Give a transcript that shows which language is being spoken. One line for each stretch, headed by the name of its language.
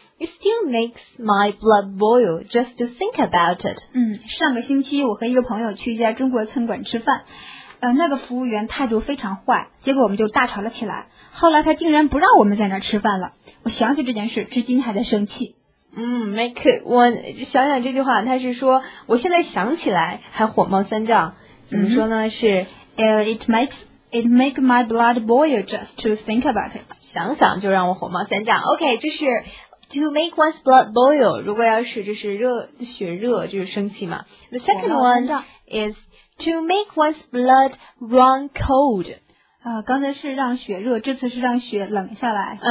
English: It still makes my blood boil just to think about it.
Chinese: 上个星期我和一个朋友去一家中国餐馆吃饭，那个服务员态度非常坏，结果我们就大吵了起来。后来他竟然不让我们在那儿吃饭了。我想起这件事，至今还在生气。
English: Make it one,
Chinese: 想想这句话，他是说我现在想起来还火冒三丈，怎么说呢？是
English: it makes my blood boil just to think about it.
Chinese: 想想就让我火冒三丈。OK, 这是
English: to make one's blood boil.
Chinese: 如果要是这是血热，就是生气嘛。
English: The second one is to make one's blood run cold.
Chinese: 刚才是让血热，这次是让血冷下来。